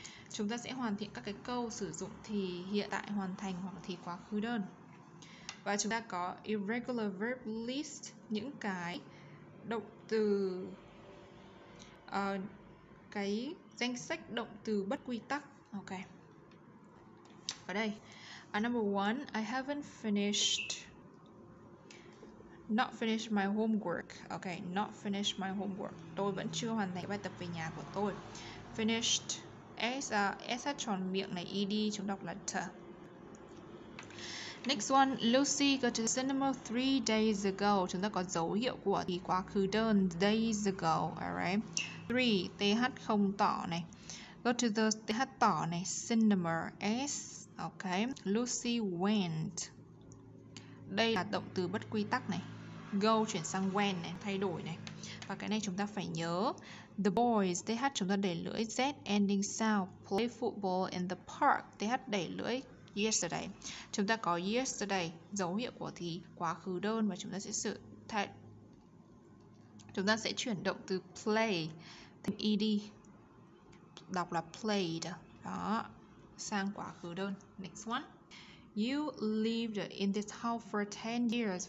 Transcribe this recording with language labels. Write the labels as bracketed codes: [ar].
[vi] Chúng ta sẽ hoàn thiện các cái câu sử dụng thì hiện tại hoàn thành hoặc thì quá khứ đơn. Và chúng ta có [en] irregular verb list, [vi] những cái động từ, cái danh sách động từ bất quy tắc. Ok, ở đây. [en] Number one, I haven't finished, not finished my homework. Okay, not finished my homework. [vi] Tôi vẫn chưa hoàn thành bài tập về nhà của tôi. Finished, S tròn miệng này, ED chúng đọc là t. [en] Next one, Lucy go to the cinema 3 days ago. [vi] Chúng ta có dấu hiệu của thì quá khứ đơn, [en] days ago, [vi] alright. 3, TH không tỏ này. Go to the TH tỏ này, cinema, S, okay. [en] Lucy went. [vi] Đây là động từ bất quy tắc này. Go chuyển sang when này, thay đổi này. Và cái này chúng ta phải nhớ. [en] The boys, TH [vi] chúng ta để lưỡi [en] Z ending sound. Play football in the park, TH [vi] để lưỡi [en] yesterday. [vi] Chúng ta có yesterday, dấu hiệu của thì quá khứ đơn và chúng ta sẽ sự thay. Chúng ta sẽ chuyển động từ play thành ed. Đọc là played. Đó, sang quá khứ đơn. [en] Next one. You lived in this house for 10 years.